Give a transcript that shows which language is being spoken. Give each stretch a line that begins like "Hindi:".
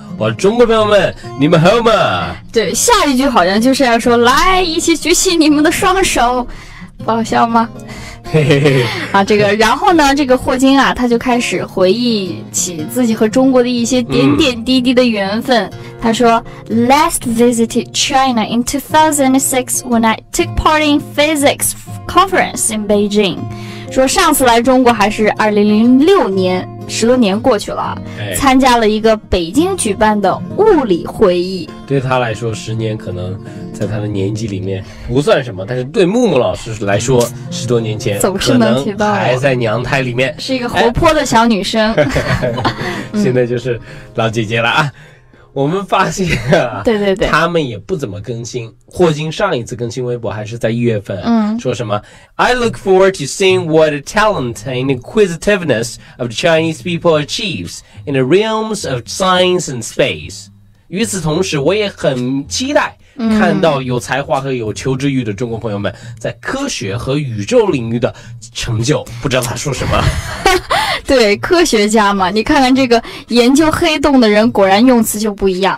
Chinese: 我中国朋友们，你们好吗？对，下一句好像就是要说来一起举起你们的双手，不好笑吗？啊，这个，然后呢，这个霍金啊，他就开始回忆起自己和中国的一些点点滴滴的缘分。他说
English: ，Last visited China in 2006 when I took part in physics conference in Beijing。
Chinese: 说上次来中国还是2006年，十多年过去了、参加了一个北京举办的物理会议。对他来说，十年可能在他的年纪里面不算什么，但是对木木老师来说，十多年前总是能提到，还在娘胎里面，是一个活泼的小女生。现在就是老姐姐了啊。我们发现、对对对，他们也不怎么更新。霍金上一次更新微博还是在1月份，说什么
English: I look forward to seeing what the talent and inquisitiveness of the Chinese people achieves in the realms of science and space。
Chinese: 与此同时，我也很期待看到有才华和有求知欲的中国朋友们在科学和宇宙领域的成就。不知道他说什么。对，科学家嘛，你看看这个研究黑洞的人果然用词就不一样，